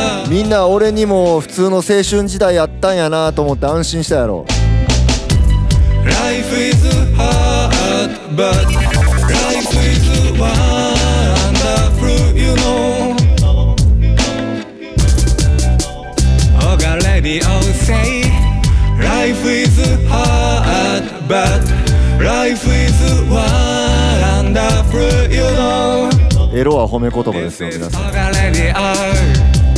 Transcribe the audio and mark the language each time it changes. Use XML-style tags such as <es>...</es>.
<ja>みんな俺にも普通の青春時代やったんやなと思って安心したやろ。</ja> <en>Life is hard but life is wonderful you know。 Oga Radio say Life is hard but life is wonderful you know。</en> <ja>エロは褒め言葉ですよ皆さん。</ja>